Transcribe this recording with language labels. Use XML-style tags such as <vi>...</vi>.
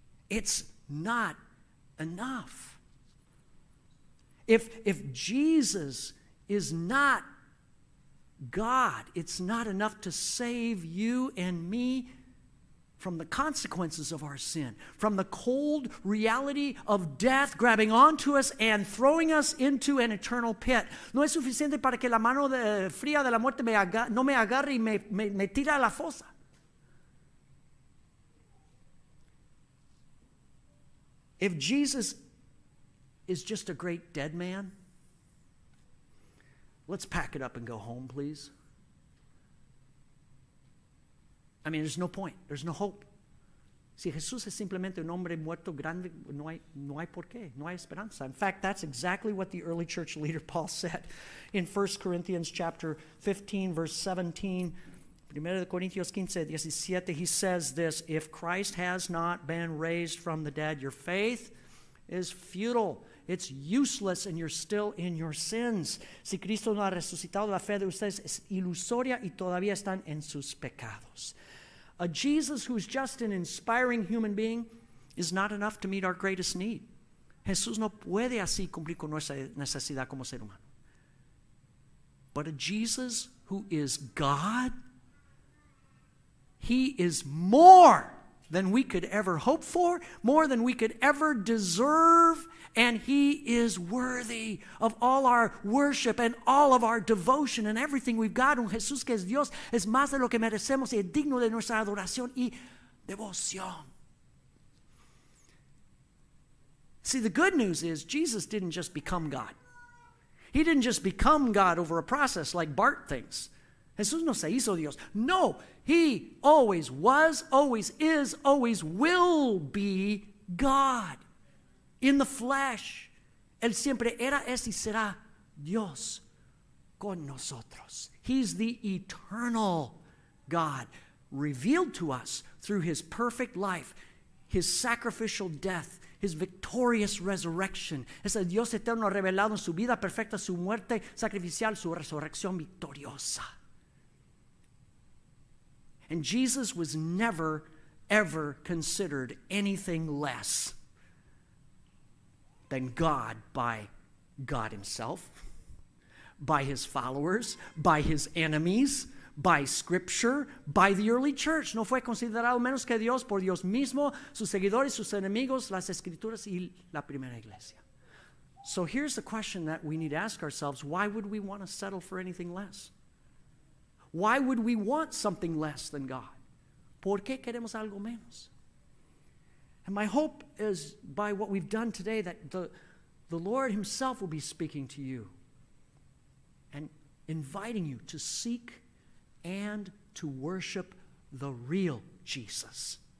<en>It's not enough. If Jesus is not God, it's not enough to save you and me from the consequences of our sin, from the cold reality of death grabbing onto us and throwing us into an eternal pit.</en> <es>No es suficiente para que la mano fría de la muerte me agarre y me tire a la fosa.</es> <en>If Jesus is just a great dead man, let's pack it up and go home, please. I mean, there's no point. There's no hope.</en> <es>Si Jesús es simplemente un hombre muerto grande, no hay por qué. No hay esperanza.</es> <en>In fact, that's exactly what the early church leader Paul said in 1 Corinthians chapter 15, verse 17. 1 Corinthians 15, 17, he says this: if Christ has not been raised from the dead, your faith is futile. It's useless, and you're still in your sins.</en> <es>Si Cristo no ha resucitado, la fe de ustedes es ilusoria y todavía están en sus pecados.</es> <en>A Jesus who's just an inspiring human being is not enough to meet our greatest need.</en> <es>Jesús no puede así cumplir con nuestra necesidad como ser humano.</es> <en>But a Jesus who is God, he is more than we could ever hope for, more than we could ever deserve, and he is worthy of all our worship and all of our devotion and everything we've got.</en> <es>Un Jesús que es Dios es más de lo que merecemos y es digno de nuestra adoración y devoción.</es> <en>See, the good news is Jesus didn't just become God. He didn't just become God over a process like Bart thinks.</en> <es>Jesús no se hizo Dios.</es> <en>No, he always was, always is, always will be God in the flesh.</en> <es>Él siempre era, es y será Dios con nosotros.</es> <en>He's the eternal God revealed to us through his perfect life, his sacrificial death, his victorious resurrection.</en> <es>Es el Dios eterno revelado en su vida perfecta, su muerte sacrificial, su resurrección victoriosa.</es> <en>And Jesus was never, ever considered anything less than God by God himself, by his followers, by his enemies, by Scripture, by the early church.</en> <es>No fue considerado menos que Dios por Dios mismo, sus seguidores, sus enemigos, las Escrituras y la primera iglesia.</es> <en>So here's the question that we need to ask ourselves: why would we want to settle for anything less? Why would we want something less than God?</en> <es>¿Por qué queremos algo menos?</es> <en>And my hope is by what we've done today that the Lord himself will be speaking to you and inviting you to seek and to worship the real Jesus.</en>